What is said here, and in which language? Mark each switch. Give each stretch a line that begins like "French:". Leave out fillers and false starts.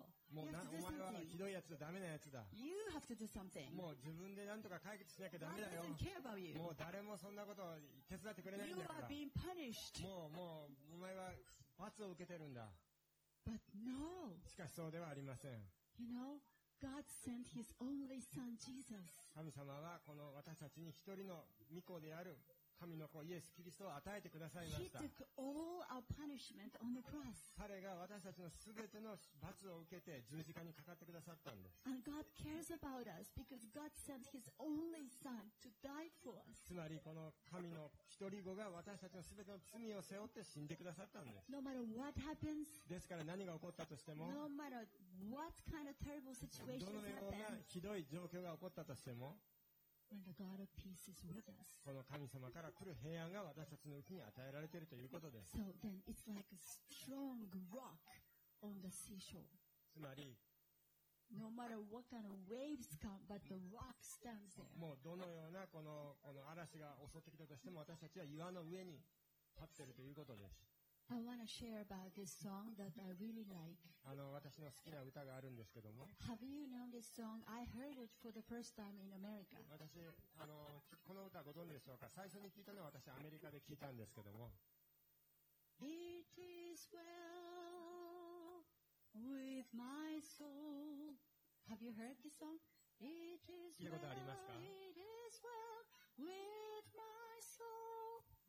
Japanese: もうお前はひどいやつだ、ダメなやつだ。
English: You have to do something.
Japanese: もう自分で何とか解決しなきゃダメだよ。もう誰もそんなことを手伝ってくれないんだから。
English: You are being punished.
Japanese: もうお前は罰を受けてるんだ。
English: But no.
Japanese: しかしそうではありません。
English: You know, God sent His only Son, Jesus.
Japanese: 神様はこの私たちに一人の御子である神の子イエス・キリストを与えてくださいました。
English: He took all our punishment on the cross.
Japanese: 彼が私たちのすべての罰を受けて十字架にかかってくださったんです。
English: And God cares about us because God sent His only Son to die for us.
Japanese: つまりこの神の一人子が私たちのすべての罪を背負って死んでくださったんです。
English: No matter what happens.
Japanese: ですから何が起こったとしても、
English: No matter what kind of terrible situation happens.
Japanese: どのようなひどい状況が起こったとしても、この神様から来る平安が私たちのうちに与えられているということです。
English: So then it's like a strong rock on the seashore.
Japanese: つまり、
English: No matter what kind of waves come, but the rock stands there.
Japanese: もうどのようなこの嵐が襲ってきたとしても私たちは岩の上に立っているということです。
English: I want to share about this song that I really like.
Japanese: あの、私の好きな歌があるんですけども。
English: Have you known this song? I heard it for the first time in America.
Japanese: 私、あの、この歌ご存知でしょうか？最初に聞いたのは私、アメリカで聞いたんですけども。
English: It is well with my soul. Have you heard this song? It is well.
Japanese: 聞いたことありますか？
English: It is well with my soul.